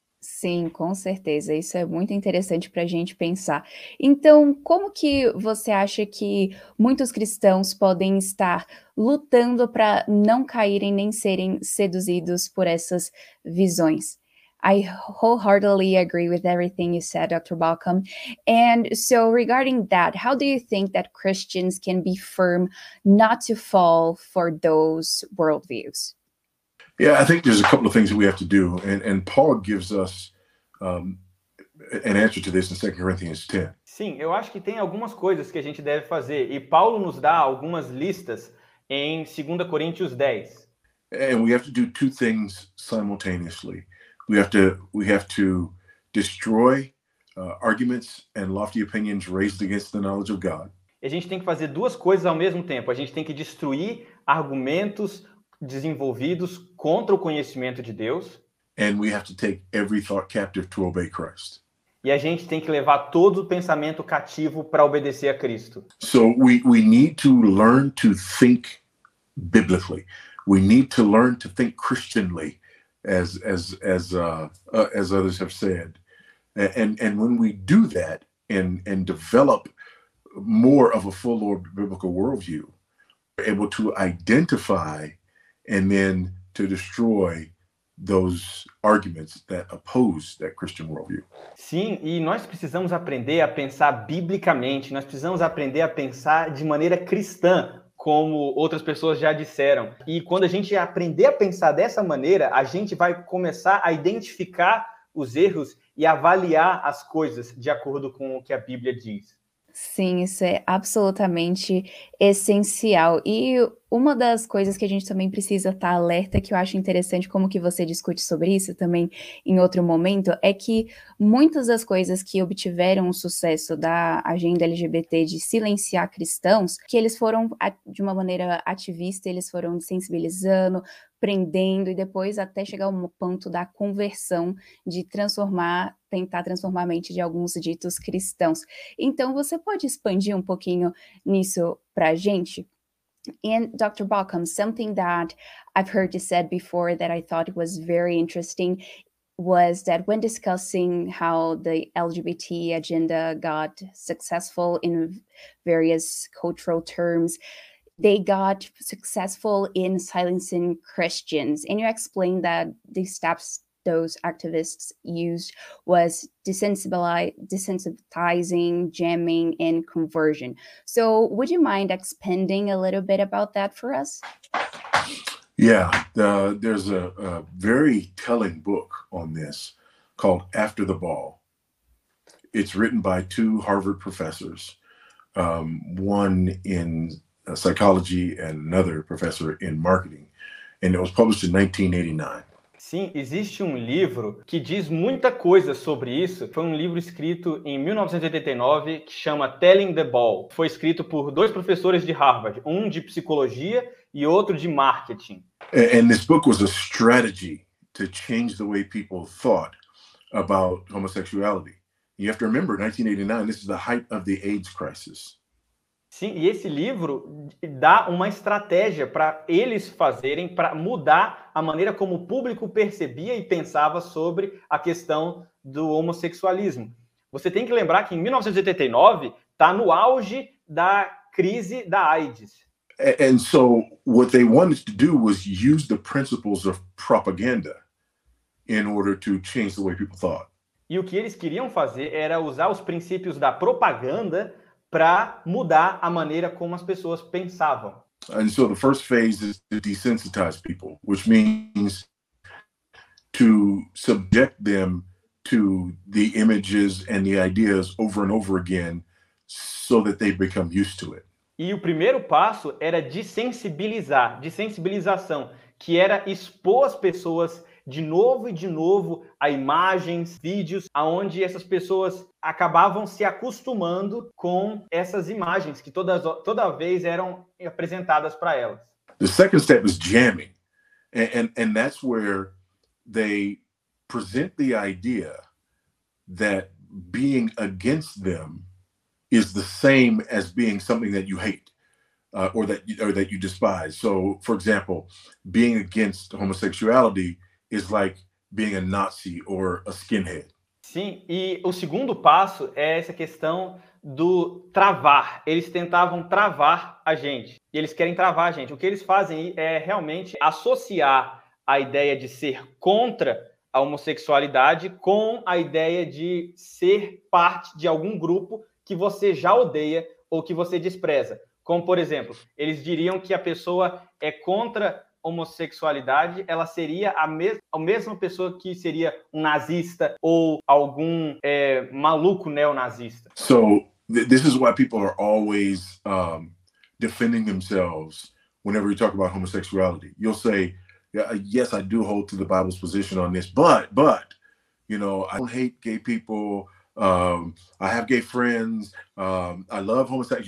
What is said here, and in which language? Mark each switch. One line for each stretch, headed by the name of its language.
Portuguese: Sim, com certeza. Isso é muito interessante para a gente pensar. Então, como que você acha que muitos cristãos podem estar lutando para não caírem nem serem seduzidos por essas visões?
English: I wholeheartedly agree with everything you said, Dr. Balcom. And so regarding that, how do you think that Christians can be firm not to fall for those worldviews? Yeah, I think there's a couple of things that we have to do. And Paul gives us an answer to this in 2 Corinthians 10.
Portuguese: Sim, eu acho que tem algumas coisas que a gente deve fazer. E Paulo nos dá algumas listas em 2 Coríntios 10.
English: And we have to do two things simultaneously. We have to destroy arguments and lofty opinions raised against the knowledge of God.
Portuguese: A gente tem que fazer duas coisas ao mesmo tempo. A gente tem que destruir argumentos desenvolvidos contra o conhecimento de Deus.
English: And we have to take every thought captive to obey Christ.
Portuguese: E a gente tem que levar todo o pensamento cativo para obedecer a Cristo.
English: So we need to learn to think biblically. We need to learn to think Christianly. As others have said, and when we do that and develop more of a full-orbed biblical worldview, we're able to identify and then to destroy those arguments that oppose that Christian worldview.
Portuguese: Sim, e nós precisamos aprender a pensar biblicamente. Nós precisamos aprender a pensar de maneira cristã, como outras pessoas já disseram. E quando a gente aprender a pensar dessa maneira, a gente vai começar a identificar os erros e avaliar as coisas de acordo com o que a Bíblia diz. Sim, isso é absolutamente essencial. E uma das coisas que a gente também precisa estar alerta, que eu acho interessante como que você discute sobre isso também em outro momento, é que muitas das coisas que obtiveram o sucesso da agenda LGBT de silenciar cristãos, que eles foram de uma maneira ativista, eles foram sensibilizando, prendendo e depois até chegar ao ponto da conversão, de transformar, tentar transformar a mente de alguns ditos cristãos. Então, você pode expandir um pouquinho nisso para a gente?
English: And Dr. Balcom, something that I've heard you said before that I thought was very interesting was that when discussing how the LGBT agenda got successful in various cultural terms, they got successful in silencing Christians. And you explained that the steps those activists used was desensitizing, jamming, and conversion. So would you mind expanding a little bit about that for us? Yeah, there's a very telling book on this called After the Ball. It's written by two Harvard professors, one in psychology and another professor in marketing. And it was published in 1989.
Portuguese: Sim, existe um livro que diz muita coisa sobre isso. Foi um livro escrito em 1989 que chama Telling the Ball. Foi escrito por dois professores de Harvard, um de psicologia e outro de marketing.
English: And this book was a strategy to change the way people thought about homosexuality. You have to remember, 1989, this is the height of the AIDS crisis.
Portuguese: Sim, e esse livro dá uma estratégia para eles fazerem, para mudar a maneira como o público percebia e pensava sobre a questão do homossexualismo. Você tem que lembrar que em 1989 está no auge da crise da AIDS.
English: And so what they wanted to do was use the principles of propaganda in order to change the way people thought.
Portuguese: E o que eles queriam fazer era usar os princípios da propaganda para mudar a maneira como as pessoas pensavam.
English: And so the first phase is to desensitize people, which means to subject them to the images and the ideas over and over again so that they become used to it.
Portuguese: E o primeiro passo era desensibilizar, desensibilização, que era expor as pessoas de novo e de novo a imagens, vídeos, aonde essas pessoas acabavam se acostumando com essas imagens que toda vez eram apresentadas para elas.
English: The second step is jamming. And that's where they present the idea that being against them is the same as being something that you hate. Or that you despise. So, for example, being against homosexuality is like being a Nazi or a skinhead.
Portuguese: Sim, e o segundo passo é essa questão do travar. Eles tentavam travar a gente. E eles querem travar a gente. O que eles fazem é realmente associar a ideia de ser contra a homossexualidade com a ideia de ser parte de algum grupo que você já odeia ou que você despreza. Como, por exemplo, eles diriam que a pessoa é contra a homossexualidade, ela seria a mesma pessoa que seria um nazista ou algum maluco neonazista.
English: So, this is why people are always defending themselves whenever you talk about homosexuality. You'll say, yes, I do hold to the Bible's position on this, but, you know, I don't hate gay people. I have gay friends, I love homosexuals.